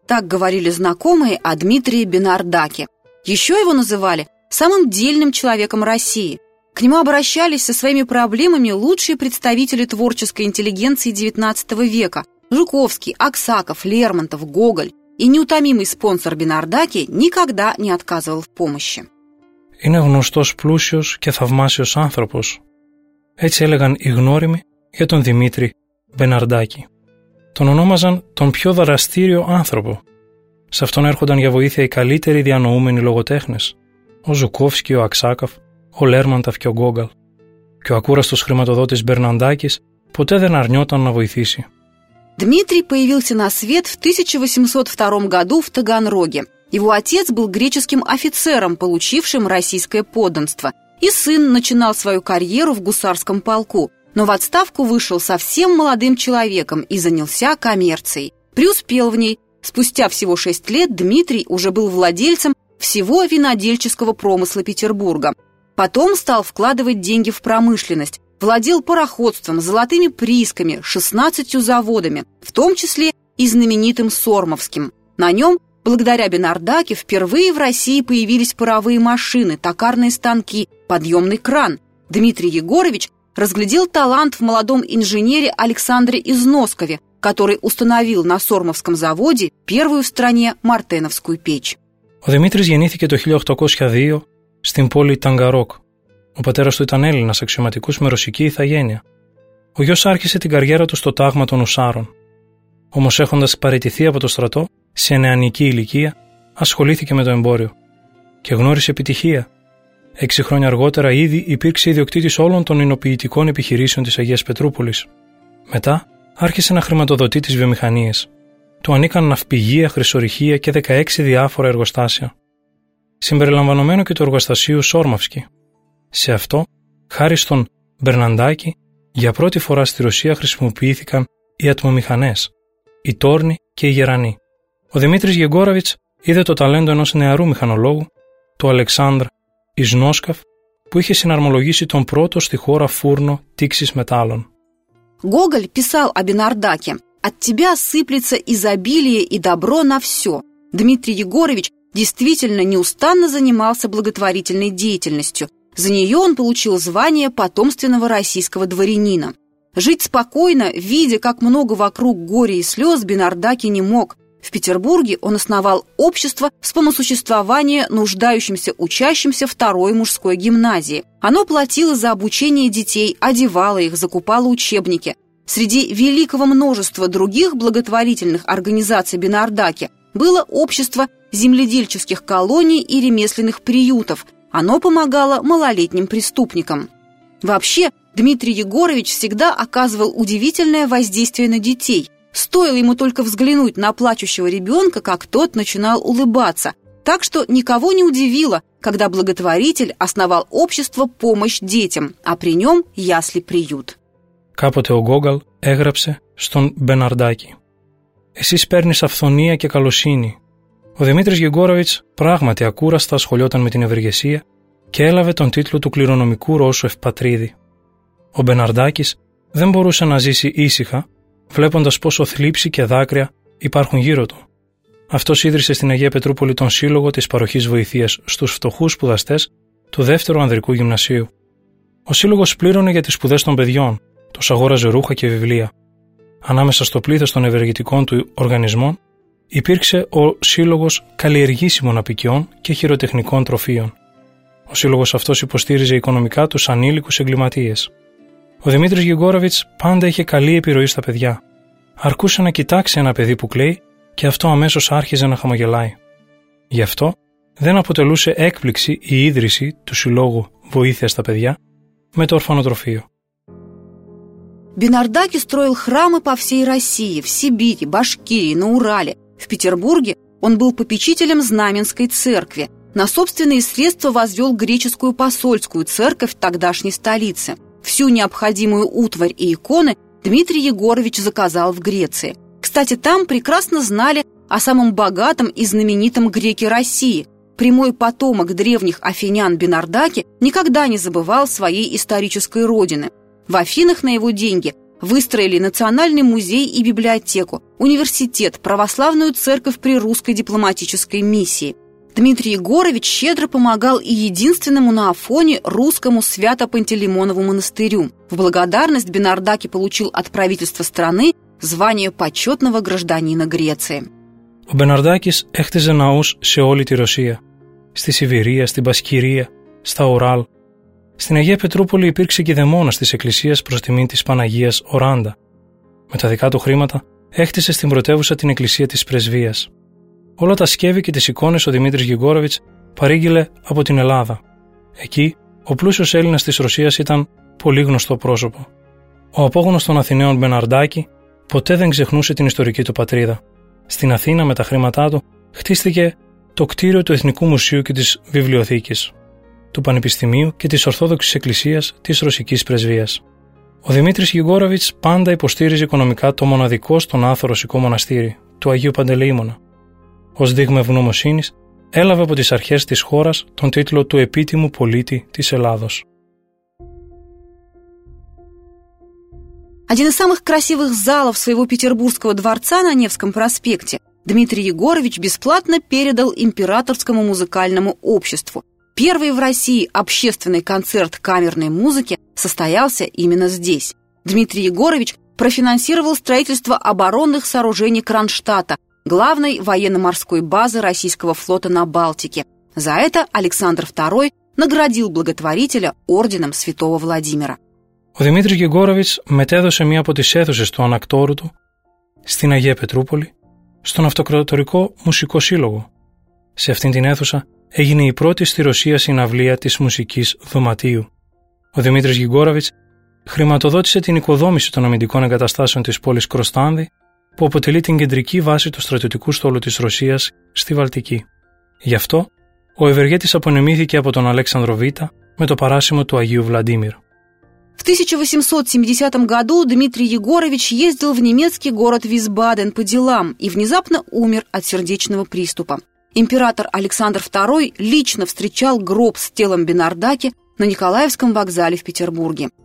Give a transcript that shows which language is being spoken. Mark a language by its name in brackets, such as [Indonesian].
[Russian] Так говорили знакомые о Дмитрии Бенардаке. Еще его называли самым дельным человеком России. К нему обращались со своими проблемами лучшие представители творческой интеллигенции XIX века – Жуковский, Аксаков, Лермонтов, Гоголь. И неутомимый спонсор Бенардаки никогда не отказывал в помощи. [Greek] «Είναι γνωστός πλούσιος και θαυμάσιος άνθρωπος». Έτσι έλεγαν οι γνώριμοι για τον Δημήτρη Μπεναρντάκη. Τον ονόμαζαν τον πιο δραστήριο άνθρωπο. Σε αυτόν έρχονταν για βοήθεια οι καλύτεροι διανοούμενοι λογοτέχνες. Ο Ζουκόφσκι, ο Αξάκαφ, ο Λέρμανταφ και ο Γκόγκαλ. Και ο ακούραστος χρηματοδότης Μπερναντάκης ποτέ δεν αρνιόταν να βοηθήσει. [Russian] Дмитрий появился на свет в 1802 году в Таганроге. Его отец был греческим офицером, получившим российское подданство. И сын начинал свою карьеру в гусарском полку. Но в отставку вышел совсем молодым человеком и занялся коммерцией. Преуспел в ней. Спустя всего 6 лет Дмитрий уже был владельцем всего винодельческого промысла Петербурга. Потом стал вкладывать деньги в промышленность, владел пароходством, золотыми приисками, 16 заводами, в том числе и знаменитым Сормовским. На нем, благодаря Бенардаке, впервые в России появились паровые машины, токарные станки, подъемный кран. Дмитрий Егорович разглядел талант в молодом инженере Александре Износкове, который установил на Сормовском заводе первую в стране мартеновскую печь. [Greek] Ο Δημήτρης γεννήθηκε το 1802 στην πόλη Ταγκαρόκ. Ο πατέρας του ήταν Έλληνας αξιωματικός με ρωσική ηθαγένεια. Ο γιος άρχισε την καριέρα του στο τάγμα των Ουσάρων. όμως έχοντας παραιτηθεί από το στρατό σε νεανική ηλικία, ασχολήθηκε με το εμπόριο και γνώρισε επιτυχία. 6 χρόνια αργότερα ήδη υπήρξε ιδιοκτήτης όλων των υνοποιητικών επιχειρήσεων της Αγίας Πετρούπολης. Μετά άρχισε να χρηματοδοτεί τις βιομηχανίες. Του ανήκαν ναυπηγεία, χρυσορυχία και 16 διάφορα εργοστάσια. Συμπεριλαμβανομένο και το εργοστασίου Σόρμαυσκι. Σε αυτό, χάρη στον Μπερναντάκη, για πρώτη φορά στη Ρωσία χρησιμοποιήθηκαν οι ατμομηχανές, οι τόρνοι και οι γερανοί. Ο Δημήτρης Γεγκόραβιτς είδε το ταλέντο ενός νεαρού μηχανολόγου, του Αλεξάνδρ Ισνόσκαφ, που είχε συναρμολογήσει τον πρώτο στη χώρα φούρνο τήξης μετάλλων. [Russian] Γκόγκολ писал о Бернардаке. От тебя сыплется изобилие и добро на все. Дмитрий Егорович действительно неустанно занимался благотворительной деятельностью. За нее он получил звание потомственного российского дворянина. Жить спокойно, видя, как много вокруг горя и слез, Бернардаке не мог. В Петербурге он основал общество вспомосуществования нуждающимся учащимся второй мужской гимназии. Оно платило за обучение детей, одевало их, закупало учебники. Среди великого множества других благотворительных организаций Бернардаке было общество земледельческих колоний и ремесленных приютов. Оно помогало малолетним преступникам. Вообще, Дмитрий Егорович всегда оказывал удивительное воздействие на детей. Стоило ему только взглянуть на плачущего ребенка, как тот начинал улыбаться. Так что никого не удивило, когда благотворитель основал общество «Помощь детям», а при нем ясли-приют. [Greek] Κάποτε ο Γκόγκολ έγραψε στον Μπερναρντάκη: «Εσείς παίρνεις αυθονία και καλοσύνη». Ο Δημήτρης Γεγκόραβιτς πράγματι ακούραστα ασχολιόταν με την ευεργεσία και έλαβε τον τίτλο του κληρονομικού Ρώσου Ευπατρίδη. Ο Μπερναρντάκης δεν μπορούσε να ζήσει ήσυχα, βλέποντας πόσο θλίψη και δάκρυα υπάρχουν γύρω του. Αυτός ίδρυσε στην Αγία Πετρούπολη τον Σύλλογο της Παροχής Βοηθείας στους Φτωχούς Σπουδαστές του Δεύτερου Ανδρικού Γυμνασίου. Ο Σύλλογος πλήρωνε για τις σπουδές των παιδιών. Τους αγόραζε ρούχα και βιβλία. Ανάμεσα στο πλήθος των ευεργετικών του οργανισμών υπήρξε ο Σύλλογος Καλλιεργήσιμων Απικιών και Χειροτεχνικών Τροφίων. Ο σύλλογος αυτός υποστήριζε οικονομικά τους ανήλικους εγκληματίες. Ο Δημήτρης Γεγκόραβιτς πάντα είχε καλή επιρροή στα παιδιά. Αρκούσε να κοιτάξει ένα παιδί που κλαίει και αυτό αμέσως άρχιζε να χαμογελάει. Γι' αυτό δεν αποτελούσε έκπληξη η ίδρυση του Συλλόγου Βοήθεια στα Παιδιά με το ορφανοτροφείο. [Russian] Бернардаке строил храмы по всей России, в Сибири, Башкирии, на Урале. В Петербурге он был попечителем Знаменской церкви. На собственные средства возвел греческую посольскую церковь тогдашней столицы. Всю необходимую утварь и иконы Дмитрий Егорович заказал в Греции. Кстати, там прекрасно знали о самом богатом и знаменитом греке России. Прямой потомок древних афинян Бернардаке никогда не забывал своей исторической родины. В Афинах на его деньги выстроили национальный музей и библиотеку, университет, православную церковь при русской дипломатической миссии. Дмитрий Егорович щедро помогал и единственному на Афоне русскому Свято-Пантелеймонову монастырю. В благодарность Бернардаке получил от правительства страны звание почетного гражданина Греции. [Greek] Ο Бернардάκης έχτιζε ναούς σε όλη τη Ρωσία, στη Σιβηρία, στην Πασκυρία, στα Ουράλ. Στην Αγία Πετρούπολη υπήρξε κηδεμόνας της εκκλησίας προς τιμήν της Παναγίας Οράντα. Με τα δικά του χρήματα έκτισε στην πρωτεύουσα την εκκλησία της Πρεσβείας. Όλα τα σκεύη και τις εικόνες ο Δημήτρης Γεγκόραβιτς παρήγγειλε από την Ελλάδα. Εκεί ο πλούσιος Έλληνας της Ρωσίας ήταν πολύ γνωστό πρόσωπο. Ο απόγονος των Αθηναίων Μπερναρντάκη ποτέ δεν ξεχνούσε την ιστορική του πατρίδα. Στην Αθήνα με τα χρήματά του χτίστηκε το κτίριο του Εθνικού Μουσείου και της Βιβλιοθήκης, του Πανεπιστημίου και της Ορθόδοξης Εκκλησίας της Ρωσικής Πρεσβείας. Ο Δημήτρης Γεγκόραβιτς πάντα υποστήριζε οικονομικά το μοναδικό στον Άθο Ρωσικό Μοναστήρι, του Αγίου Παντελεήμονα. Ως δείγμα ευγνωμοσύνης, έλαβε από τις αρχές της χώρας τον τίτλο του επίτιμου πολίτη της Ελλάδος. [Russian] Один из самых красивых залов своего петербургского дворца на Невском проспекте Дмитрий Егорович бесплатно передал императорскому музыкальному обществу. Первый в России общественный концерт камерной музыки состоялся именно здесь. Дмитрий Егорович профинансировал строительство оборонных сооружений Кронштадта, главной военно-морской базы российского флота на Балтике. За это Александр II наградил благотворителя орденом Святого Владимира. [Greek] Ο Δημήτρης Γεγκόραβιτς μετέδωσε μία από τις αίθουσες του ανακτόρου του στην Αγία Πετρούπολη, στον Αυτοκρατορικό Μουσικό Σύλλογο. Σε αυτήν την αίθουσα έγινε η πρώτη στη Ρωσία συναυλία της Μουσικής Δωματίου. Ο Δημήτρης Γιγκόραβιτς χρηματοδότησε την οικοδόμηση των αμυντικών εγκαταστάσεων της πόλης Κροστάνδη, που αποτελεί την κεντρική βάση του στρατιωτικού στόλου της Ρωσίας στη Βαλτική. Γι' αυτό, ο Ευεργέτης απονεμήθηκε από τον Αλέξανδρο Β' με το παράσημο του Αγίου Βλαντίμιρ. [Russian] В 1870 году Дмитрий Егорович ездил в немецкий город Висбаден по делам и внезапно умер от сердечного приступа. Император Александр II лично встречал гроб с телом Бенардаки на Николаевском вокзале в Петербурге.